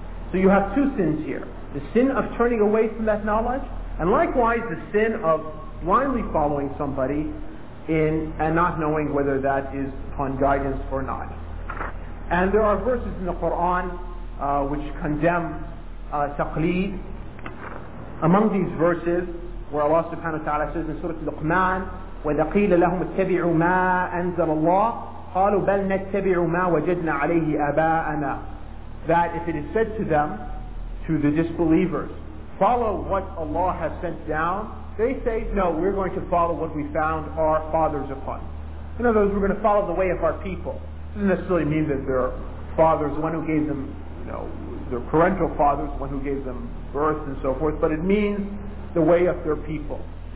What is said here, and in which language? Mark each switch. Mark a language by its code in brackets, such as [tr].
[en] So you have two sins here. The sin of turning away from that knowledge, and likewise the sin of blindly following somebody in and not knowing whether that is upon guidance or not. And there are verses in the Quran which condemn taqleed. Among these verses, where Allah subhanahu wa ta'ala says in Surah Luqman, [ar] وَإِذَا قِيلَ لَهُمْ اتَّبِعُوا مَا أَنزَلَ اللَّهُ قَالُوا بَلْ نَتَّبِعُوا مَا وَجَدْنَا عَلَيْهِ آبَاءَنَا. [en] That if it is said to them, to the disbelievers, follow what Allah has sent down, they say, no, we're going to follow what we found our fathers upon. In other words, we're going to follow the way of our people. It doesn't necessarily mean that their fathers, the one who gave them, you know, their parental fathers, the one who gave them birth and so forth, but it means the way of their people.